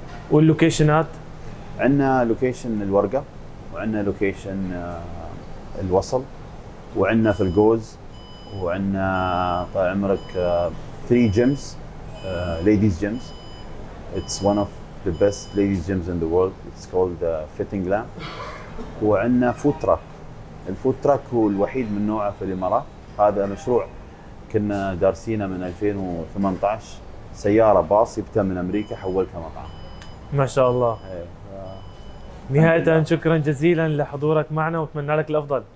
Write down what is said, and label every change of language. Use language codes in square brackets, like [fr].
[ar] واللوكيشنات؟ عندنا لوكيشن الورقة، وعندنا لوكيشن الوصل، وعندنا في الجوز، وعندنا طال عمرك 3 جيمز، [en] ladies gyms. It's one of the best ladies gyms in the world. It's called Fitting Glam. [ar] وعندنا food truck. الفود تراك هو الوحيد من نوعه في الإمارات. هذا مشروع كنا دارسينه من 2018. سيارة باص جبتها من أمريكا حولتها مطعم. ما شاء الله. نهاية شكرا جزيلا لحضورك معنا واتمنى لك الأفضل.